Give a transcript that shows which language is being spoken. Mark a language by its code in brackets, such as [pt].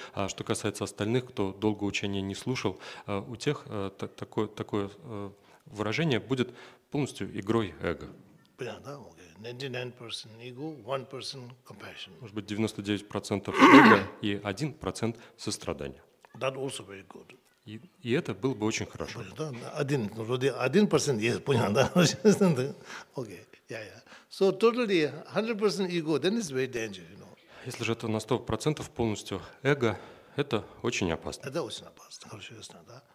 [ru] А что касается остальных, кто долго учение не слушал, у тех такое выражение будет полностью игрой эго. Понятно, да? [en] 99% ego, 1% compassion. [ru] Может быть, 99% эго и 1% сострадания. [en] That also very good. [ru] И это было бы очень хорошо. Да, один, вроде 1% есть, понял, да? [en] Окей, okay, So totally 100% ego, then it's very dangerous, you know. [ru] Если же это на 100% полностью эго, это очень опасно. Это очень опасно, хорошо, ясно, да?